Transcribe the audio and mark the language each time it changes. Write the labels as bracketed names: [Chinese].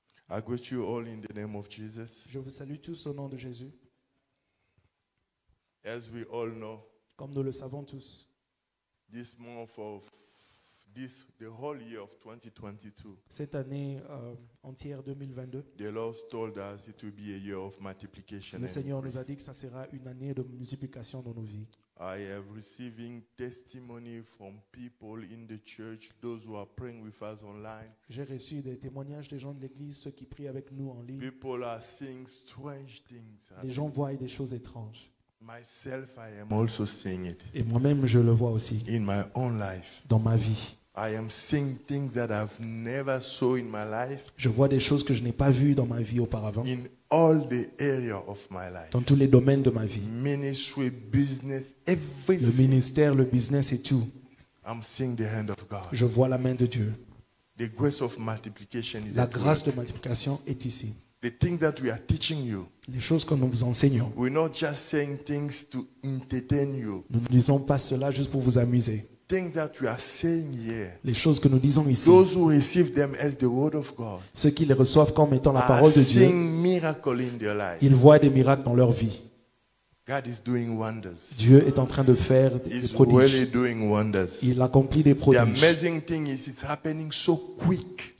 [English] I greet you all in the name of Jesus. [French] Je vous salue tous au nom de Jésus. [English] As we all know. [French] Comme nous le savons tous. [English] This month of this the whole year of 2022. [French] Cette année entière 2022. [English] The Lord told us it will be a year of multiplication. [French] Le Seigneur nous a dit que ça sera une année de multiplication dans nos vies. [English] I have receiving testimony from people in the church, those who are praying with us online. [French] J'ai reçu des témoignages des gens de l'église, ceux qui prient avec nous en ligne. [English] People are seeing strange things. [French] Les gens voient des choses étranges. [English] Myself, I am also seeing it. [French] Et moi-même, je le vois aussi. [English] In my own life. [French] Dans ma vie. [English] I am seeing things that I've never saw in my life. [French] Je vois des choses que je n'ai pas vues dans ma vie auparavant. [English] In all the area of my life. [French] Dans tous les domaines de ma vie. [English] Ministry, business, everything. [French] Le ministère, le business et tout. [English] I'm seeing the hand of God. [French] Je vois la main de Dieu. [English] The grace of multiplication is [French] La grâce de multiplication est ici. [English] The things that we are teaching you. [French] Les choses que nous vous enseignons. [English] We're not just saying things to entertain you. [French] Nous ne disons pas cela juste pour vous amuser. [English] Things that we are saying here. [French] Les choses que nous disons ici. [English] Those who receive them as the word of God. [French] Ceux qui les reçoivent comme étant la parole de Dieu. [English] Are seeing miracles in their life. [French] Ils voient des miracles dans leur vie. [English] God is doing wonders. [French] Dieu est en train de faire des prodiges. [English] Really doing wonders. [French] Il accomplit des prodiges. [English] The amazing thing is it's happening so quick.